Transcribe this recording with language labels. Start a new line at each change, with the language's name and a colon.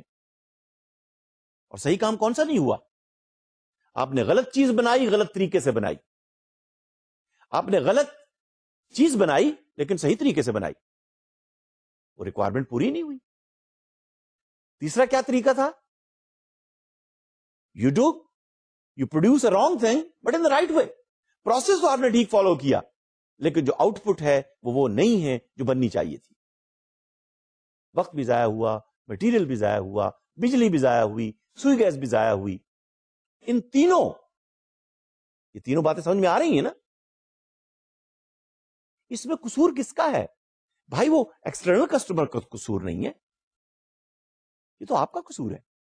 Urdu: اور صحیح کام کون سا نہیں ہوا؟ آپ نے غلط چیز بنائی، غلط طریقے سے بنائی. آپ نے غلط چیز بنائی لیکن صحیح طریقے سے بنائی، وہ ریکوائرمنٹ پوری نہیں ہوئی. تیسرا کیا طریقہ تھا؟
English: You do you produce a wrong thing but in the right way.
Urdu: Process تو آپ نے ٹھیک فالو کیا لیکن جو آؤٹ پٹ ہے وہ نہیں ہے جو بننی چاہیے تھی. وقت بھی ضائع ہوا, مٹیریل بھی ضائع ہوا, بجلی بھی ضائع ہوئی, سوئی گیس بھی ضائع ہوئی. ان تینوں, یہ تینوں باتیں سمجھ میں آ رہی ہیں نا, اس میں قصور کس کا ہے بھائی؟ وہ ایکسٹرنل کسٹمر کا قصور نہیں ہے, یہ تو آپ کا قصور ہے.